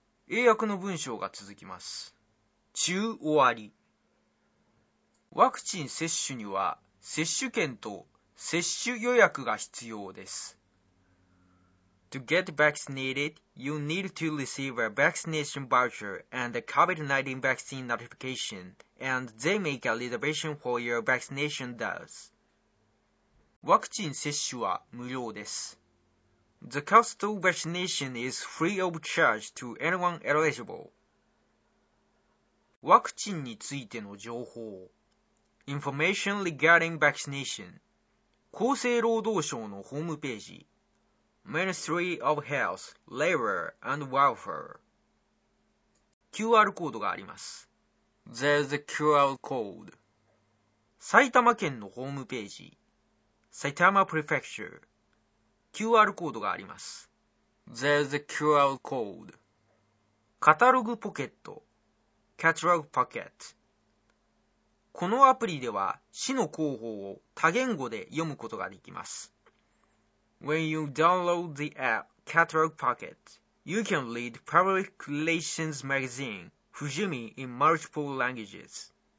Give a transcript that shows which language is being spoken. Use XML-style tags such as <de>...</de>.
<ja>英訳の文章が続きます。中終わり。ワクチン接種には接種券と接種予約が必要です。</ja> <en>To get vaccinated, you need to receive a vaccination voucher and a COVID-19 vaccine notification, and they make a reservation for your vaccination dose.</en> <ja>ワクチン接種は無料です。</ja> <en>The cost of vaccination is free of charge to anyone eligible.</en> <ja>ワクチンについての情報。</ja> <en>Information regarding vaccination.</en> <ja>厚生労働省のホームページ。</ja> <en>Ministry of Health, Labor and Welfare.</en> <ja>QR コードがあります。</ja> <en>There's a QR code.</en> <ja>埼玉県のホームページ。 Saitama Prefecture. QR コードがあります。</ja> <en>There's a QR code. カタログポケット。Catalog Pocket.</en> <ja>このアプリでは市の広報を多言語で読むことができます。</ja> <en>When you download the app Catalog Pocket, you can read Public Relations Magazine Fujimi in multiple languages.</en>